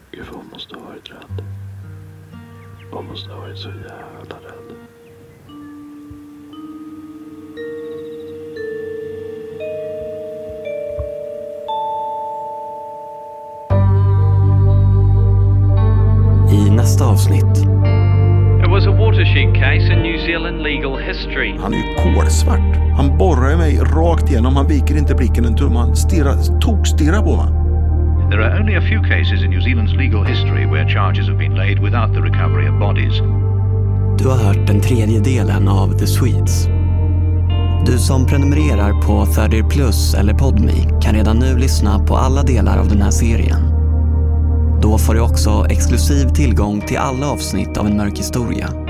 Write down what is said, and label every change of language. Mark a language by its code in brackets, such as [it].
[sv] Hon måste ha varit rädd. Hon måste ha varit så jävla rädd. I nästa avsnitt. [en] It was a watershed case in New Zealand legal history. [sv] Han är ju kolsvart. Han borrar mig rakt igenom. Han viker inte blicken en tumme. Han tokstirrar på mig. [en] There are only a few cases in New Zealand's legal history where charges have been laid without the recovery of bodies. [sv] Du har hört den tredje delen av The Swedes. Du som prenumererar på Thirdear Plus eller Podme kan redan nu lyssna på alla delar av den här serien. Då får du också exklusiv tillgång till alla avsnitt av En mörk historia.